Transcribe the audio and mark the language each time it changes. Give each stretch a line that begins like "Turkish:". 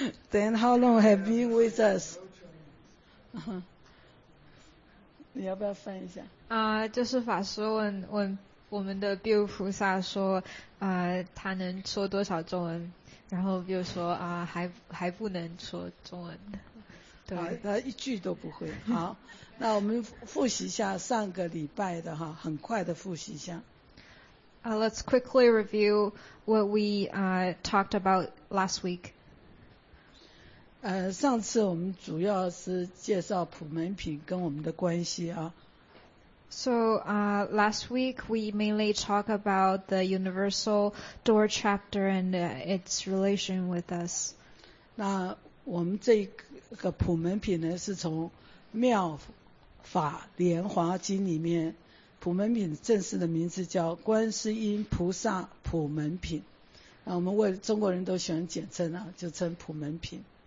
English: Then how long have you been with us?
Chinese: 你要不要翻一下？就是法师问我们的 Bill 菩萨说，他能说多少中文？然后 Bill 说还不能说中文。对，他一句都不会。好，那我们复习一下上个礼拜的哈，很快的复习一下。
English: Let's quickly review what we talked about last week.
Chinese: 上次我们主要是介绍普门品跟我们的关系啊。
English: So last week we mainly talk about the Universal Door Chapter and its relation with us.
Chinese: 那我们这个普门品呢，是从妙法莲华经里面。普门品正式的名字叫观世音菩萨普门品，那我们为中国人都喜欢简称啊，就称普门品。